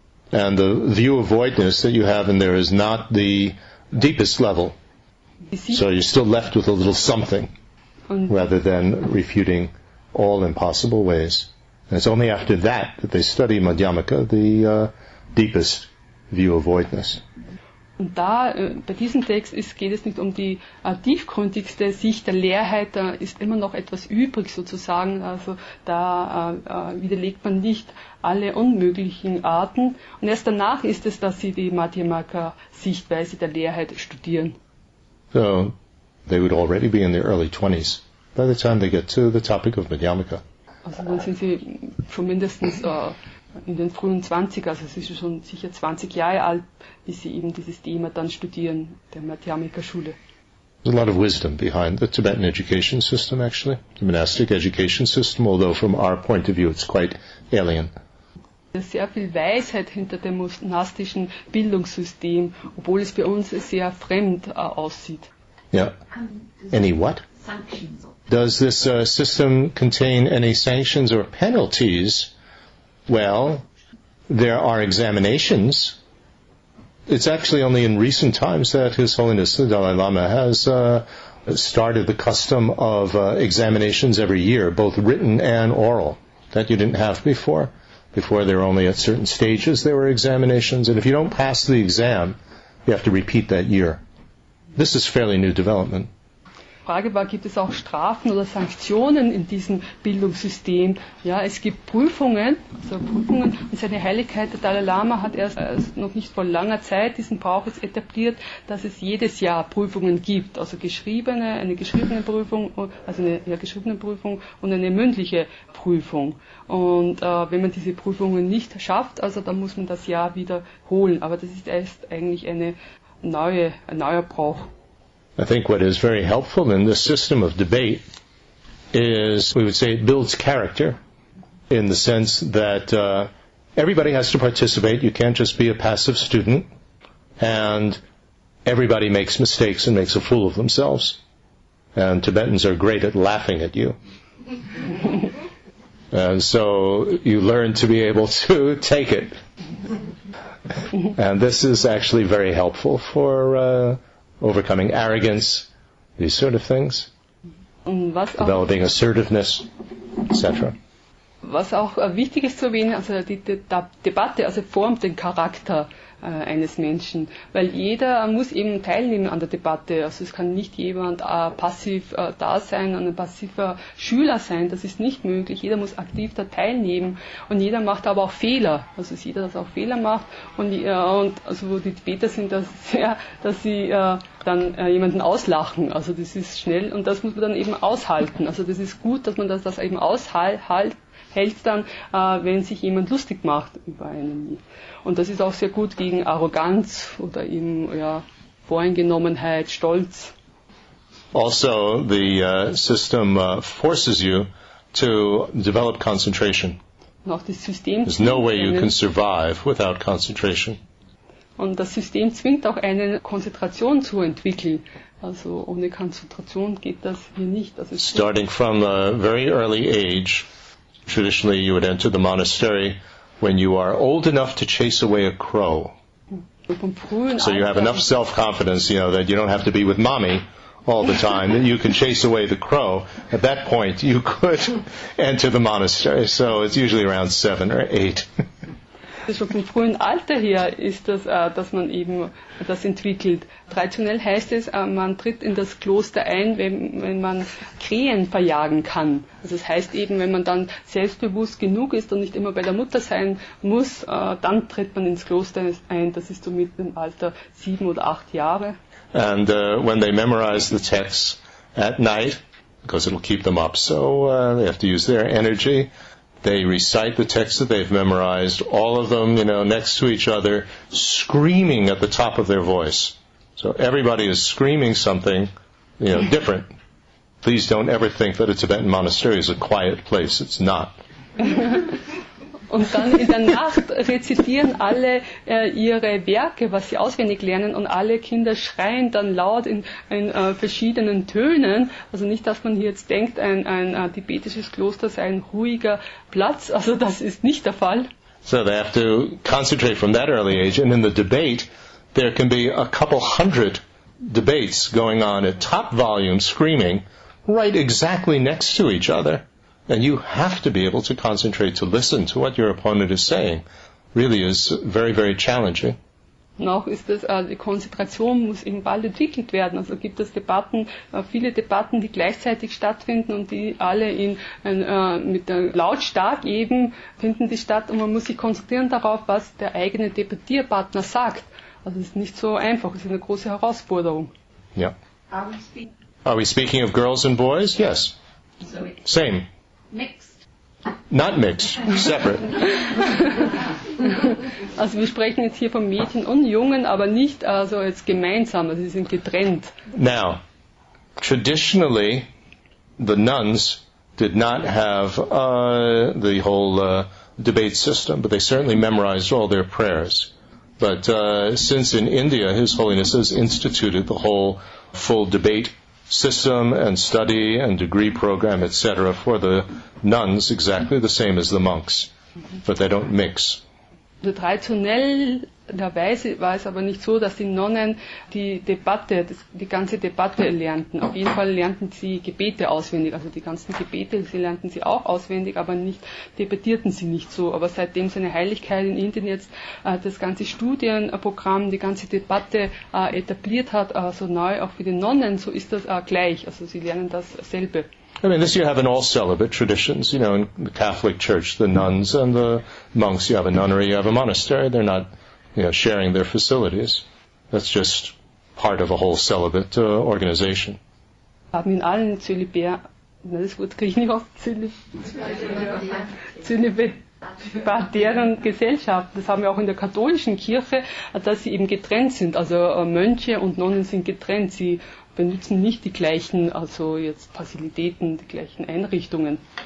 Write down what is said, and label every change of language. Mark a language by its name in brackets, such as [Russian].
[English] And the view of voidness that you have in there is not the deepest level. So you're still left with a little something, rather than refuting all impossible ways. And it's only after that that they study Madhyamaka, the deepest view of voidness. [German] Und da, bei diesem Text geht es nicht um die tiefgründigste Sicht der Leerheit, da ist immer noch etwas übrig sozusagen, also da widerlegt man nicht alle unmöglichen Arten. Und erst danach ist es, dass sie die Madhyamaka-Sichtweise der Leerheit studieren. [English] So, they would already be in their early 20s by the time they get to the topic of Madhyamaka. [German] Also dann sind sie schon mindestens in den frühen 20er, also sie sind schon sicher 20 Jahre alt, wie sie eben dieses Thema dann studieren, der Madhyamika-Schule. [English] There's a lot of wisdom behind the Tibetan education system, actually, the monastic education system, although from our point of view it's quite alien. [German] Es ist sehr viel Weisheit hinter dem monastischen Bildungssystem, obwohl es für uns sehr fremd aussieht. [English] Yeah. Any what? Sanctions. Does this system contain any sanctions or penalties? Well, there are examinations. It's actually only in recent times that His Holiness the Dalai Lama has started the custom of examinations every year, both written and oral, that you didn't have before. Before, there were only at certain stages there were examinations, and if you don't pass the exam, you have to repeat that year. This is fairly new development. [German] Frage war, gibt es auch Strafen oder Sanktionen in diesem Bildungssystem? Ja, es gibt Prüfungen, also Prüfungen, und seine Heiligkeit, der Dalai Lama, hat erst noch nicht vor langer Zeit diesen Brauch jetzt etabliert, dass es jedes Jahr Prüfungen gibt, also eine geschriebene Prüfung und eine mündliche Prüfung. Und wenn man diese Prüfungen nicht schafft, also dann muss man das Jahr wiederholen. Aber das ist erst eigentlich ein neuer Brauch. [English] I think what is very helpful in this system of debate is, we would say, it builds character in the sense that everybody has to participate. You can't just be a passive student, and everybody makes mistakes and makes a fool of themselves. And Tibetans are great at laughing at you. And so you learn to be able to take it. And this is actually very helpful for overcoming arrogance, these sort of things, developing assertiveness, etc. [German] Was auch wichtig ist zu erwähnen, also die Debatte, also formt den Charakter eines Menschen, weil jeder muss eben teilnehmen an der Debatte. Also es kann nicht jemand passiv da sein und ein passiver Schüler sein, das ist nicht möglich. Jeder muss aktiv da teilnehmen und jeder macht aber auch Fehler. Also ist jeder, dass auch Fehler macht und also wo die Tibeter sind das sehr, dass sie dann jemanden auslachen. Also das ist schnell und das muss man dann eben aushalten. Also das ist gut, dass man das eben aushält. Hält dann, wenn sich jemand lustig macht über einen. Und das ist auch sehr gut gegen Arroganz oder eben ja, Voreingenommenheit, Stolz. [English] Also, the system forces you to develop concentration. [German] Und auch das System. [English] There's no way you can survive without concentration. [German] Und das System zwingt auch eine Konzentration zu entwickeln. Also ohne Konzentration geht das hier nicht. Also, [English] starting from a very early age, traditionally, you would enter the monastery when you are old enough to chase away a crow. So you have enough self-confidence, you know, that you don't have to be with mommy all the time, that you can chase away the crow. At that point, you could enter the monastery. So it's usually around 7 or 8. [German] Schon vom frühen Alter her ist das, dass man eben das entwickelt. Traditionell heißt es, man tritt in das Kloster ein, wenn man Krähen verjagen kann. Also das heißt eben, wenn man dann selbstbewusst genug ist und nicht immer bei der Mutter sein muss, dann tritt man ins Kloster ein. Das ist so mit dem Alter 7 oder 8 Jahre. [English] And when they memorize the texts at night, because it'll keep them up. So they have to use their energy. They recite the texts that they've memorized, all of them, you know, next to each other, screaming at the top of their voice. So everybody is screaming something, you know, different. Please don't ever think that a Tibetan monastery is a quiet place. It's not. [German] Und dann in der Nacht rezitieren alle ihre Werke, was sie auswendig lernen, und alle Kinder schreien dann laut in verschiedenen Tönen. Also nicht, dass man hier jetzt denkt, ein tibetisches Kloster sei ein ruhiger Platz. Also das ist nicht der Fall. [English] So they have to concentrate from that early age. And in the debate, there can be a couple hundred debates going on at top volume, screaming, right exactly next to each other. And you have to be able to concentrate to listen to what your opponent is saying. Really is very, very challenging. [German] Noch ist das, die Konzentration muss eben bald entwickelt werden. Also gibt es Debatten, viele Debatten, die gleichzeitig stattfinden und die alle lautstark eben finden die statt. Und man muss sich konzentrieren darauf, was der eigene Debattierpartner sagt. Also es ist nicht so einfach, es ist eine große Herausforderung. [English] Ja. Are we speaking of girls and boys? Yes. Sorry. Same. Mixed. Not mixed, separate. [German] Also wir sprechen jetzt hier von Mädchen und Jungen, aber nicht also jetzt gemeinsam, also sie sind getrennt. [English] Now, traditionally, the nuns did not have the whole debate system, but they certainly memorized all their prayers. But since in India, His Holiness has instituted the whole full debate system and study and degree program, etc., for the nuns, exactly the same as the monks, but they don't mix. [German] Traditionellerweise war es aber nicht so, dass die Nonnen die ganze Debatte lernten. Auf jeden Fall lernten sie Gebete auswendig, also die ganzen Gebete, sie lernten sie auch auswendig, aber nicht debattierten sie nicht so. Aber seitdem seine Heiligkeit in Indien jetzt das ganze Studienprogramm, die ganze Debatte etabliert hat, so neu auch für die Nonnen, so ist das gleich. Also sie lernen dasselbe. [English] I mean, this you have in all celibate traditions, you know, in the Catholic Church, the nuns and the monks, you have a nunnery, you have a monastery, they're not, you know, sharing their facilities. That's just part of a whole celibate organization. [German] Haben in allen zölibatären Gesellschaften, das haben wir auch in der katholischen Kirche, dass sie eben getrennt sind, also Mönche und Nonnen sind getrennt, sie benutzen nicht die gleichen, also jetzt Fazilitäten, die gleichen Einrichtungen.